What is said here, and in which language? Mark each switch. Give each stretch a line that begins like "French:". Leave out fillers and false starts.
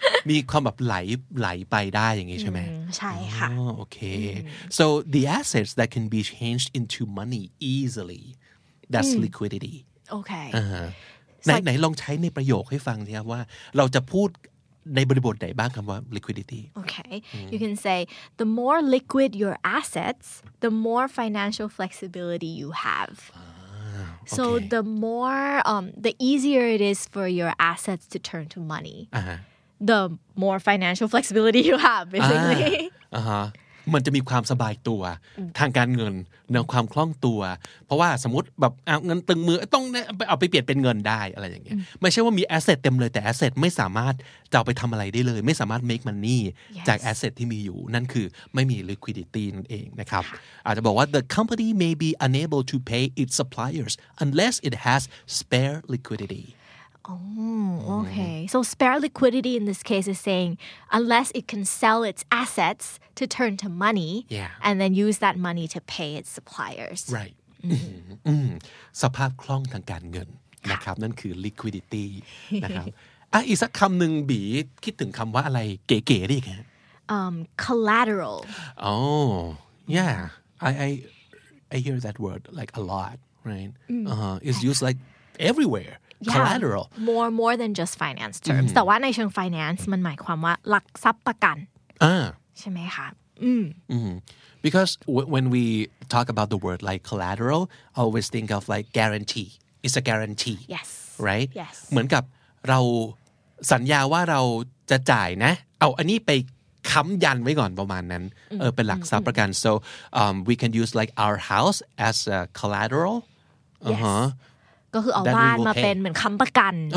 Thai: มีความแบบไหลไปได้อย่างงี้ใช่ไหม ใช่ค่ะ
English: โอเค so the assets that can be changed into money easily that's liquidity okay
Thai: ไหนลองใช้ในประโยคให้ฟังสิครับว่าเราจะพูดในบริบทไหนบ้างคำว่า liquidity
English: okay you can say the more liquid your assets the more financial flexibility you have so the more the easier it is for your assets to turn to money the more financial flexibility you have basically
Thai: มันจะมีความสบายตัวทางการเงินแนวความคล่องตัวเพราะว่าสมมติแบบเอาเงินตึงมือต้องเอาไปเปลี่ยนเป็นเงินได้อะไรอย่างเงี้ยไม่ใช่ว่ามีแอสเซทเต็มเลยแต่แอสเซทไม่สามารถจะเอาไปทำอะไรได้เลยไม่สามารถ make money จากแอสเซทที่มีอยู่นั่นคือไม่มี liquidity นั่นเองนะครับอาจจะบอกว่า
English: the company may be unable to pay its suppliers unless it has spare liquidity Okay. So spare liquidity in this case is saying unless it can sell its assets to turn to money and then use that money to pay its suppliers. Right.
Thai: สภาพคล่องทางการเงินนะครับนั่นคือ liquidity นะครับอีกสักคำหนึ่งบีคิดถึงคำว่าอะไรเก๋ๆได้อีกฮะ
English: collateral. Oh, yeah. I hear that word like a lot, right? It's used like everywhere. Yeah, collateral more than just finance terms
Thai: แต่ว่าในเชิง finance มันหมายความว่าหลักทรัพย์ประกันใช่ไหมคะ
English: Because when we talk about the word like collateral I always think of like guarantee it's a guarantee yes right yes
Thai: เหมือนกับเราสัญญาว่าเราจะจ่ายนะเอาอันนี้ไปค้ำยันไว้ก่อนประมาณนั้นเป็นหลักทรัพย์ประกัน
English: so we can use like our house as a collateral
Thai: ก็คือเอาบ้านมาเป็นเหมือนค้ำประกัน